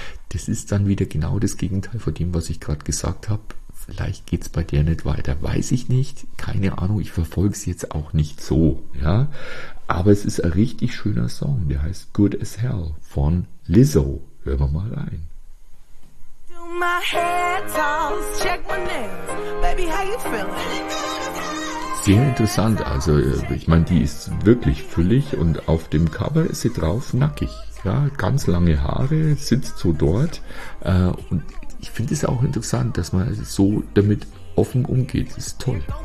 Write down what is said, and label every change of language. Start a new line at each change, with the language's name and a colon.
German: Das ist dann wieder genau das Gegenteil von dem, was ich gerade gesagt habe. Vielleicht geht's bei der nicht weiter. Weiß ich nicht. Keine Ahnung. Ich verfolge es jetzt auch nicht so. Ja, aber es ist ein richtig schöner Song. Der heißt Good as Hell von Lizzo. Hören wir mal rein.
English: My hair toss, check my nails. Baby, how you feeling?
German: Sehr interessant, also ich meine, die ist wirklich füllig und auf dem Cover ist sie drauf nackig, ja, ganz lange Haare, sitzt so dort und ich finde es auch interessant, dass man so damit offen umgeht, ist toll.